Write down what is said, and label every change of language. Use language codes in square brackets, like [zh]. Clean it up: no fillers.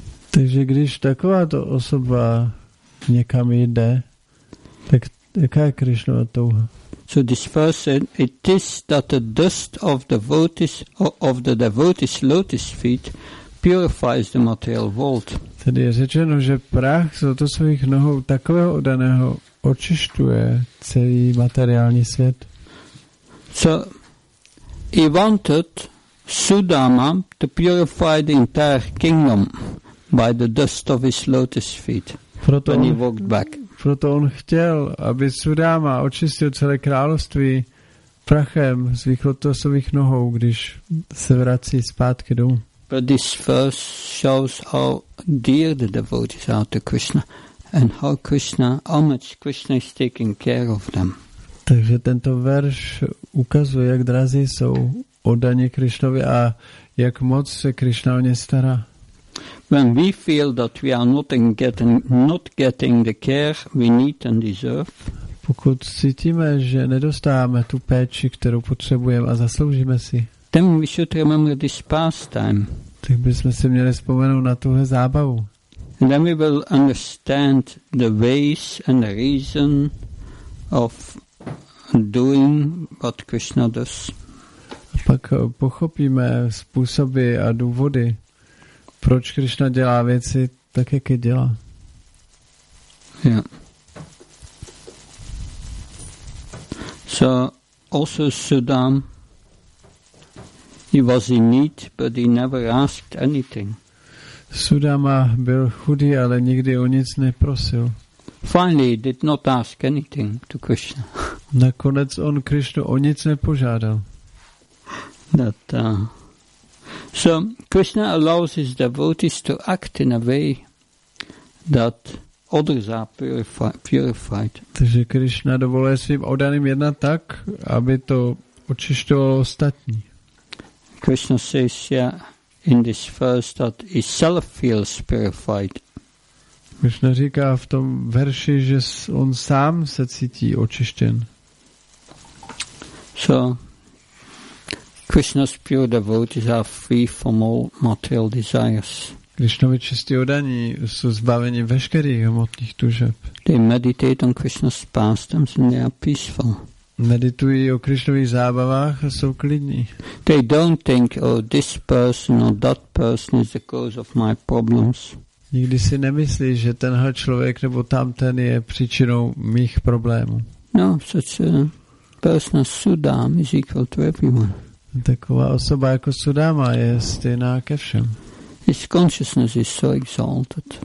[cs] Takže když takováto osoba někam jde, tak jaká je Krishnova touha? [en] So this person, it is that the dust of the devotees, of the devotees' lotus feet purifies the material world. [cs] Tady je řečeno, že prach z lotosových nohou takového oddaného očišťuje celý materiální svět. [en] So he wanted Sudama to purify the entire kingdom by the dust of his lotus feet. When he walked back. [cs] Proto on chtěl, aby Sudama očistil celé království prachem svých lotosových nohou, když se vrací zpátky domů. [en] But this verse shows how dear the devotees are to Krishna and how Krishna, how much Krishna is taking care of them. [cs] Takže tento verš ukazuje, jak drazí jsou oddaní Krišnovi a jak moc se Krišna o ně stará. [en] When we feel that we are not getting the care we need and deserve, [cs] pokud cítíme, že nedostáváme tu péči, kterou potřebujeme a zasloužíme si, [en] then we should remember this pastime. [cs] Tak bychom si měli vzpomenout na tuhle zábavu. [en] And then we will understand the ways and the reason of doing what Krishna does. [cs] A pak pochopíme způsoby a důvody, proč Krishna dělá věci tak, jak je dělá. [en] Yeah. So also Sudam, he was in need, but he never asked anything. [cs] Sudama byl chudý, ale nikdy o nic neprosil. [en] Finally, he did not ask anything to Krishna. [cs] Nakonec on Krishnu o nic nepožádal. [en] So Krishna allows his devotees to act in a way that others are purified. [cs] Takže Krishna dovoluje svým oddaným jednat tak, aby to očišťovalo ostatní. [en] Krishna says here in this verse that he self feels purified. [cs] Krishna říká v tom verši, že on sám se cítí očištěn. [en] So Krishna's pure devotees are free from all material desires. [cs] Krishnovi čistí oddaní jsou zbaveni veškerých hmotných tužeb. [en] They meditate on Krishna's pastimes and they are peaceful. [cs] Meditují o Krishnových zábavách a jsou klidní. [en] They don't think, oh, this person or that person is the cause of my problems. [cs] Nikdy si nemyslí, že tenhle člověk nebo tamten je příčinou mých problémů. [en] No, such a person as Sudam is equal to everyone. [cs] Taková osoba jako Sudama je stejná ke všem. [en] His consciousness is so exalted.